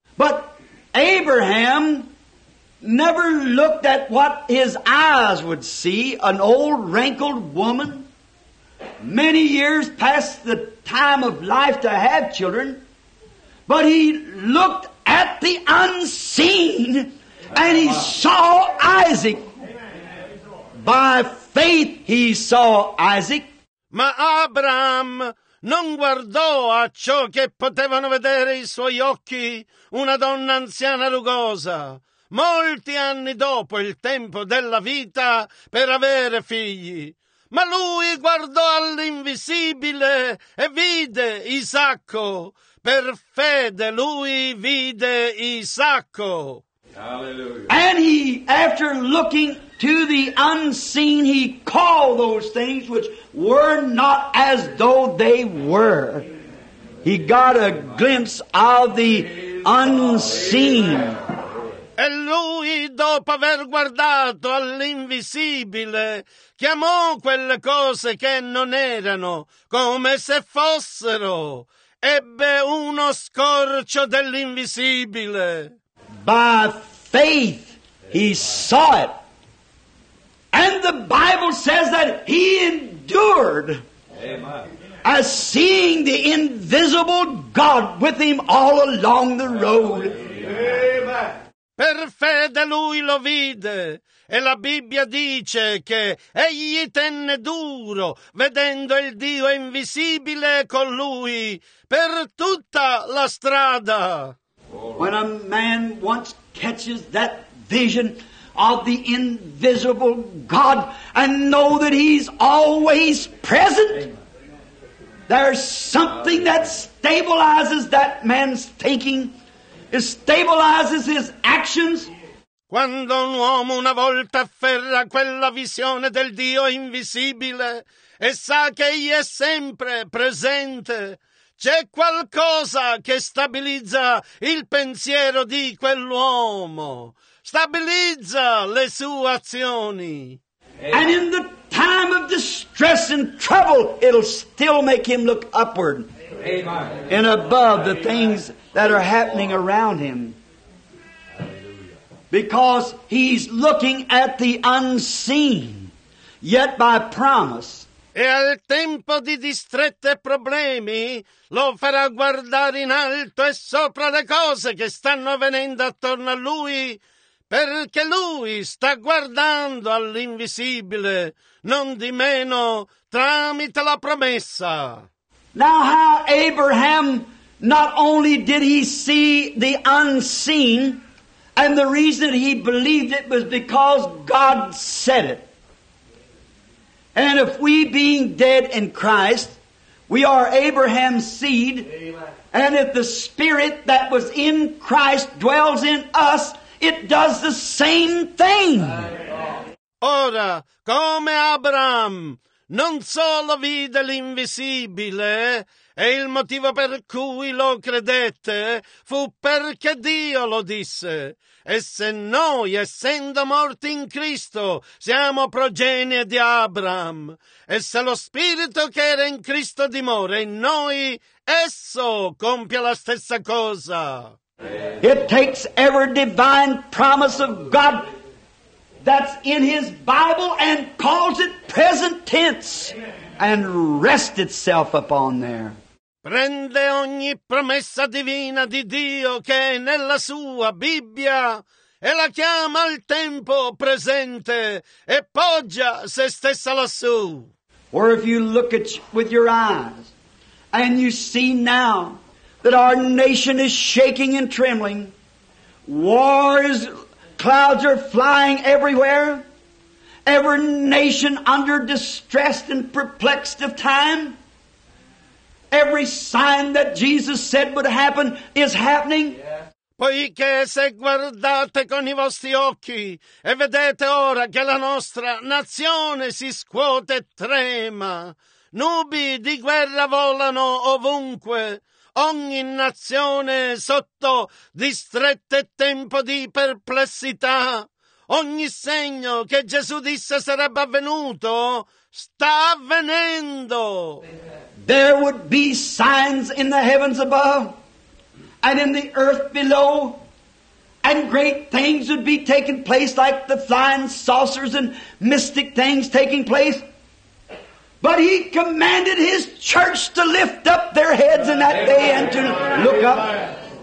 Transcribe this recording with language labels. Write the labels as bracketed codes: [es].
[en] But Abraham never looked at what his eyes would see, an old wrinkled woman. Many years past the time of life to have children, but he looked at the unseen and he saw Isaac. By faith he saw Isaac. [it] Ma Abraham non guardò a ciò che potevano vedere i suoi occhi una donna anziana rugosa. Molti anni dopo il tempo della vita per avere figli. Ma lui guardò all'invisibile e vide Isacco. Per fede lui vide Isacco. Hallelujah. [en] And he, after looking to the unseen, he called those things which were not as though they were. He got a glimpse of the unseen. [it] E lui, dopo aver guardato all'invisibile, chiamò quelle cose che non erano come se fossero. Ebbe uno scorcio dell'invisibile. [en] By faith he saw it. And the Bible says that he endured. Amen. As seeing the invisible God with him all along the road. Amen. [it] Per fede lui lo vide, e la Bibbia dice che egli tenne duro, vedendo il Dio invisibile con lui, per tutta la strada. [en] When a man once catches that vision of the invisible God and know that he's always present, there's something that stabilizes that man's thinking. It stabilizes his actions. [it] Quando un uomo una volta afferra quella visione del Dio invisibile e sa che egli è sempre presente, c'è qualcosa che stabilizza il pensiero di quell'uomo, stabilizza le sue azioni. [en] And in the time of distress and trouble, it'll still make him look upward. Amen. And above the things that are happening around him. Because he's looking at the unseen, yet by promise. [it] E al tempo di distrette problemi, lo farà guardare in alto e sopra le cose che stanno venendo attorno a lui, perché lui sta guardando all'invisibile, non di meno tramite la promessa. [en] Now how Abraham, not only did he see the unseen, and the reason he believed it was because God said it. And if we being dead in Christ, we are Abraham's seed, and if the Spirit that was in Christ dwells in us, it does the same thing. [it] Ora, come Abraham, non solo vide l'invisibile, e il motivo per cui lo credette fu perché Dio lo disse. E se noi, essendo morti in Cristo, siamo progenie di Abraham, e se lo Spirito che era in Cristo dimora in noi, esso compie la stessa cosa. [en] It takes every divine promise of God that's in His Bible and calls it present tense and rests itself upon there. [it] Prende ogni promessa divina di Dio che è nella sua Bibbia e la chiama al tempo presente e poggia se stessa lassù. [en] Or if you look at with your eyes and you see now that our nation is shaking and trembling, wars, clouds are flying everywhere, every nation under distressed and perplexed of time, every sign that Jesus said would happen is happening. [it] Poiché se guardate con i vostri occhi e vedete ora che la nostra nazione si scuote e trema, nubi di guerra volano ovunque, ogni nazione sotto distretto tempo di perplessità, ogni segno che Gesù disse sarebbe avvenuto sta avvenendo. [en] There would be signs in the heavens above and in the earth below, and great things would be taking place, like the flying saucers and mystic things taking place. But He commanded His church to lift up their heads in that day and to look up.